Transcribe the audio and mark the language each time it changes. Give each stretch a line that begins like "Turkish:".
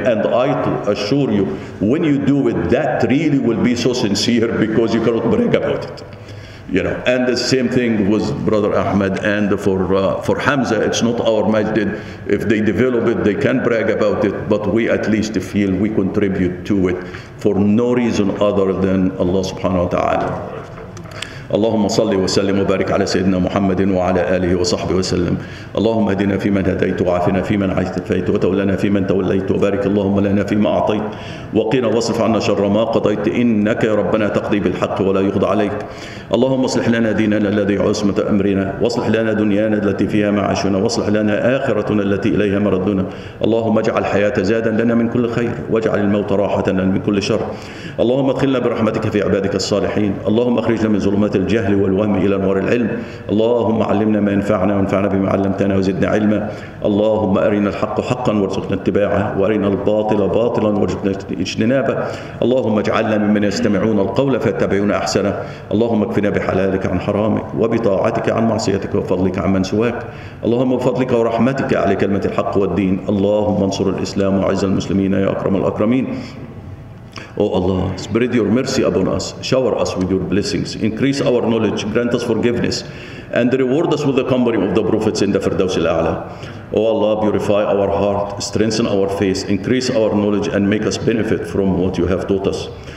English: And I assure you, when you do it, that really will be so sincere because you cannot brag about it. You know, and the same thing with Brother Ahmed and for Hamza, it's not our masjid. If they develop it, they can brag about it, but we at least feel we contribute to it for no reason other than Allah subhanahu wa ta'ala.
Arabic: اللهم صل وسلم وبارك على سيدنا محمد وعلى آله وصحبه وسلم. اللهم اهدنا فيمن هديت وعافنا فيمن عافيت وتولنا فيمن توليت وبارك اللهم لنا فيما أعطيت وقنا واصرف عنا شر ما قضيت إنك يا ربنا تقضي بالحق ولا يقضى عليك. اللهم اصلح لنا ديننا الذي عصمة أمرنا، واصلح لنا دنيانا التي فيها معاشنا، واصلح لنا آخرتنا التي إليها مردنا. اللهم اجعل الحياة زادا لنا من كل خير، واجعل الموت راحة لنا من كل شر. اللهم ادخلنا برحمتك في عبادك الصالحين. اللهم اخرجنا من ظلمات الجهل والوهم إلى نور العلم. اللهم علمنا ما ينفعنا وانفعنا بما علمتنا وزدنا علما. اللهم أرنا الحق حقا وارزقنا اتباعه، وأرنا الباطل باطلا وارزقنا اجتنابه. اللهم اجعلنا ممن يستمعون القول فيتبعون أحسنه. اللهم اكفنا بحلالك عن حرامك، وبطاعتك عن معصيتك، وفضلك عمن سواك. اللهم بفضلك ورحمتك على كلمة الحق والدين. اللهم انصر الإسلام وعز المسلمين يا أكرم الأكرمين.
English: Oh Allah, spread your mercy upon us, shower us with your blessings, increase our knowledge, grant us forgiveness, and reward us with the company of the prophets in the Firdaus al-A'la. Oh Allah, purify our heart, strengthen our faith, increase our knowledge, and make us benefit from what you have taught us.